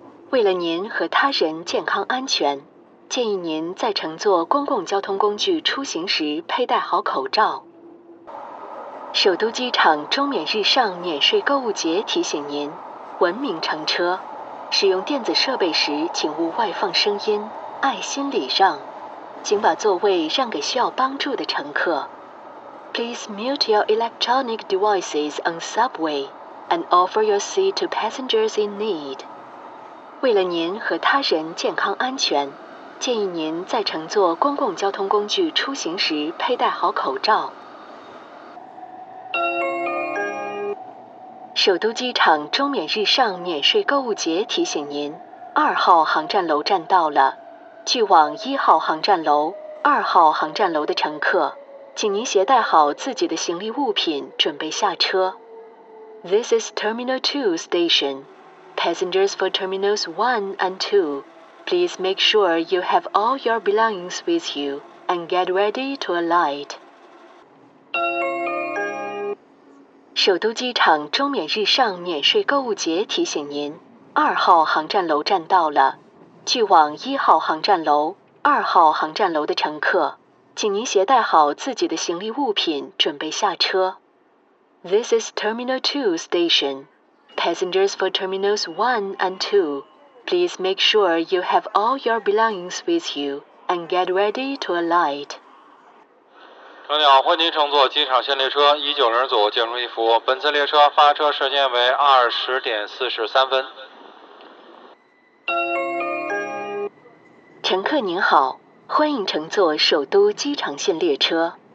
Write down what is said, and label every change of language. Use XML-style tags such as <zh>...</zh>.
<zh>为了您和他人健康安全，建议您在乘坐公共交通工具出行时佩戴好口罩。首都机场中免日上免税购物节提醒您，文明乘车。使用电子设备时，请勿外放声音，爱心礼让，请把座位让给需要帮助的乘客。</zh> <en>Please mute your electronic devices on subway and offer your seat to passengers in need.</en> <zh>为了您和他人健康安全，建议您在乘坐公共交通工具出行时佩戴好口罩。首都机场中免日上免税购物节提醒您，二号航站楼站到了，去往一号航站楼、二号航站楼的乘客，请您携带好自己的行李物品，准备下车。</zh> <en>This is Terminal 2 station. Passengers for Terminals 1 and 2, please make sure you have all your belongings with you and get ready to alight.</en> <zh>首都机场中免日上免税购物节提醒您，二号航站楼站到了，去往一号航站楼、二号航站楼的乘客，请您携带好自己的行李物品，准备下车。</zh> <en>This is Terminal 2 station. Passengers for Terminals 1 and 2, please make sure you have all your belongings with you and get ready to alight.</en> <zh>乘客好，欢迎您乘坐机场线列车190组，接入一服务。本次列车发车时间为20:43。乘客您好，欢迎乘坐首都机场线列车。</zh>